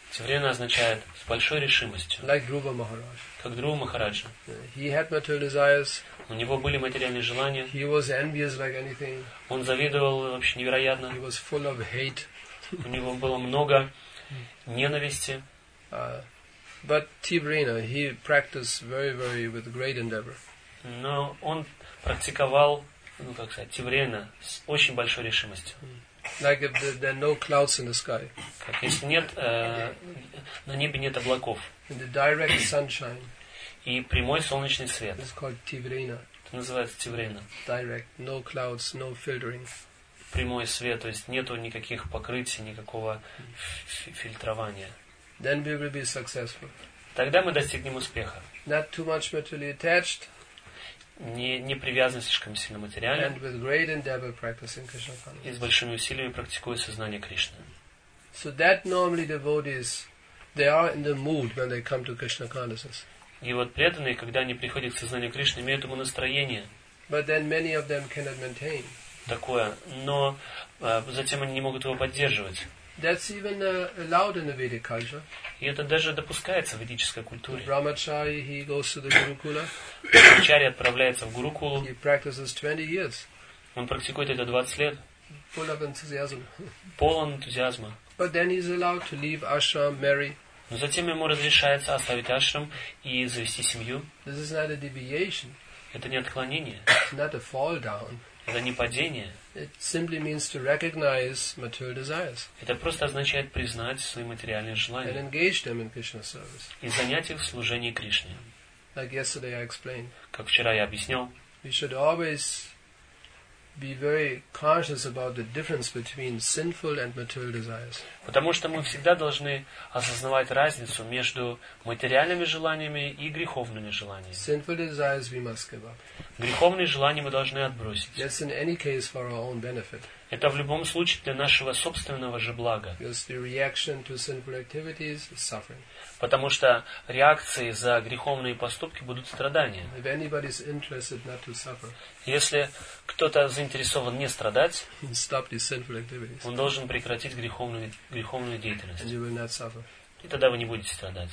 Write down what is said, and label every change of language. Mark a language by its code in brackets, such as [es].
[ru] Тиврена означает с большой решимостью. [en] Like Dhruva Maharaj. [ru] Как Друва Махараджа. [en] He had material desires. [ru] У него были материальные желания. [en] He was envious like anything. [ru] Он завидовал вообще невероятно. [en] He was full of hate. [ru] У него было много ненависти. [en] But Tivrena, he practiced very, very with great endeavor. [ru] Но он практиковал, ну как сказать, Тиврена с очень большой решимостью. [en] Like if there are no clouds in the sky. [ru] Как если нет, на небе нет облаков. [en] In the direct sunshine. [ru] И прямой солнечный свет. [en] It's called Tivrena. [ru] Это называется Тиврена. [en] Direct, no clouds, no filtering. [ru] Прямой свет, то есть нету никаких покрытий, никакого фильтрования. [en] Then we will be successful. [ru] Тогда мы достигнем успеха. [en] Not too much materially attached. [ru] Не привязан слишком сильно материально. [en] And with great endeavor practicing Krishna consciousness. [ru] И с большими усилиями практикуя сознание Кришны. [en] So that normally devotees, they are in the mood when they come to Krishna consciousness. [ru] И вот преданные, когда они приходят к сознанию Кришны, имеют ему настроение. [en] But then many of them cannot maintain. [ru] Такое. Но затем они не могут его поддерживать. [en] That's even allowed in the Vedic culture. [ru] И это даже допускается в ведической культуре. [en] Brahmachari, he goes to the Gurukula. [ru] Брахмачари отправляется в Гурукулу. [en] He practices 20 years. [ru] Он практикует это 20 лет. [en] Full of enthusiasm. [ru] Полон энтузиазма. [en] But then he's allowed to leave ashram, marry. [ru] Но затем ему разрешается оставить ашрам и завести семью. [en] This is not a deviation. [ru] Это не отклонение. [en] It's not a fall down. [ru] Это не падение. [en] It simply means to recognize material desires. [ru] Это просто означает признать свои материальные желания. [en] And engage them in Krishna service. [ru] И занять их в служении Кришне. [en] Like yesterday I explained. [ru] Как вчера я объяснял. [en] We should always be very conscious about the difference between sinful and material desires. [ru] Потому что мы всегда должны осознавать разницу между материальными желаниями и греховными желаниями. [en] Sinful desires we must give up. [ru] Греховные желания мы должны отбросить. [en] That's in any case for our own benefit. [ru] Это в любом случае для нашего собственного же блага. [en] Because the reaction to sinful activities is suffering. [ru] Потому что реакции за греховные поступки будут страдания. [en] If anybody is interested not to suffer, [ru] если кто-то заинтересован не страдать, [en] stop these sinful activities. [ru] Он должен прекратить греховную деятельность. [en] And you will not suffer. [ru] И тогда вы не будете страдать.